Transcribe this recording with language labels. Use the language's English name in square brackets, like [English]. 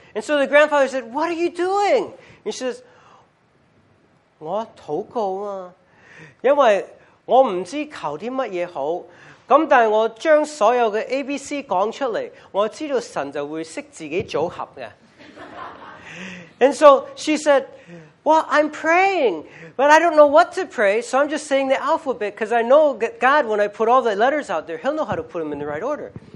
[English] And so the grandfather said, what are you doing? And she says, [Cantonese] 我祷告啊,因为我不知求啲乜嘢好,但我将所有的 A, B, C 讲出来,我知道神就会识自己组合的。 [English] And so she said, well, I'm praying, but I don't know what to pray, so I'm just saying the alphabet because I know that God, when I put all the letters out there, He'll know how to put them in the right order.